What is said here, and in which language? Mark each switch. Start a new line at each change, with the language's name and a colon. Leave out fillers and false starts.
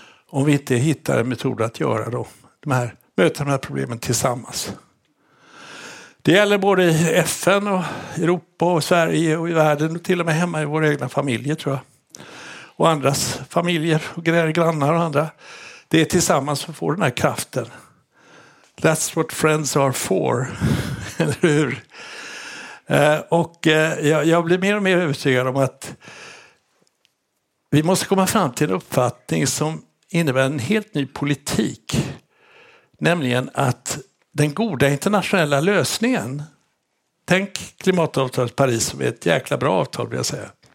Swedish: Om vi inte hittar en metod att göra då, möta de här problemen tillsammans. Det gäller både i FN och Europa och Sverige och i världen och till och med hemma i våra egna familjer tror jag. Och andras familjer och grannar och andra. Det är tillsammans som får den här kraften.
English: That's what friends are for.
Swedish: Eller hur? Och jag blir mer och mer övertygad om att vi måste komma fram till en uppfattning som innebär en helt ny politik. Nämligen att den goda internationella lösningen, tänk klimatavtalet Paris som är ett jäkla bra avtal vill jag säga.